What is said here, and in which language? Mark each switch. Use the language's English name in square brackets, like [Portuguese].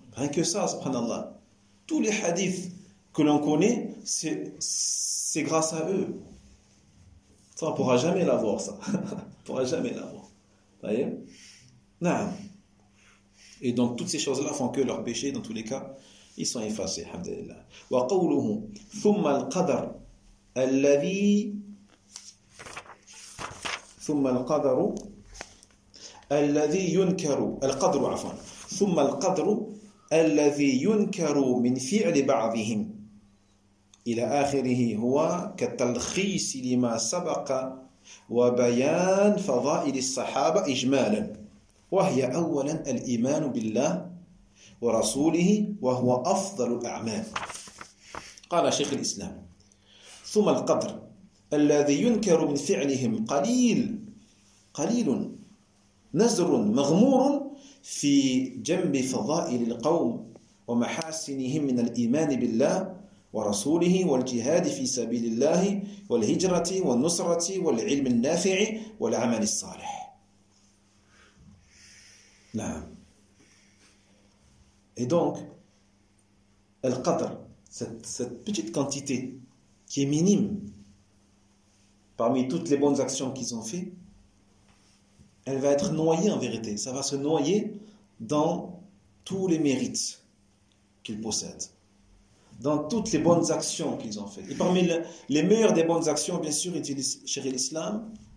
[French] Rien que ça, subhanallah, tous les hadiths que l'on connaît, c'est grâce à eux. Ça, on ne pourra jamais l'avoir, ça. On ne pourra jamais l'avoir. Vous voyez? Non. Et donc toutes ces choses-là font que leur péché, dans tous les cas, ils sont effacés, alhamdulillah. [Arabic] وقوله ثم القدر الذي ثم القدر الذي ينكر القدر عفوا ثم القدر الذي ينكر من فعل بعضهم إلى آخره هو كتلخيص لما سبق وبيان فضائل الصحابة إجمالا وهي أولا الإيمان بالله ورسوله وهو أفضل الأعمال. قال شيخ الإسلام ثم القدر الذي ينكر من فعلهم قليل نزر مغمور في جنب فضائل القوم ومحاسنهم من الإيمان بالله ورسوله والجهاد في سبيل الله والهجرة والنصرة والعلم النافع والعمل الصالح. نعم. [French] Et donc, Al-Qadr, cette petite quantité qui est minime parmi toutes les bonnes actions qu'ils ont faites, elle va être noyée en vérité. Ça va se noyer dans tous les mérites qu'ils possèdent, dans toutes les bonnes actions qu'ils ont faites. Et parmi les meilleures des bonnes actions, bien sûr, chéri l'islam,